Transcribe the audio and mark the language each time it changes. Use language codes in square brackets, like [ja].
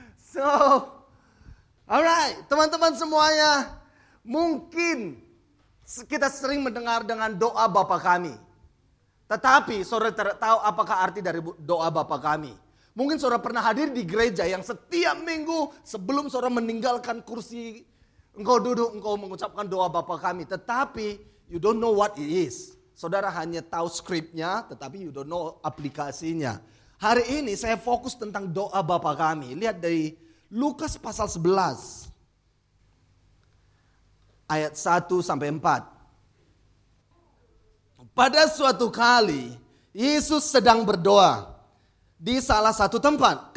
[id] So, alright, teman-teman semuanya, mungkin kita sering mendengar dengan doa Bapa Kami. Tetapi saudara tidak tahu apakah arti dari doa Bapa Kami. Mungkin saudara pernah hadir di gereja yang setiap minggu sebelum saudara meninggalkan kursi, engkau duduk, engkau mengucapkan doa Bapa Kami. [en] Tetapi you don't know what it is. [id] Saudara hanya tahu skripnya, tetapi [en] you don't know [id] aplikasinya. Hari ini saya fokus tentang doa Bapa Kami. Lihat dari Lukas pasal 11. Ayat 1 sampai 4. Pada suatu kali, Yesus sedang berdoa di salah satu tempat.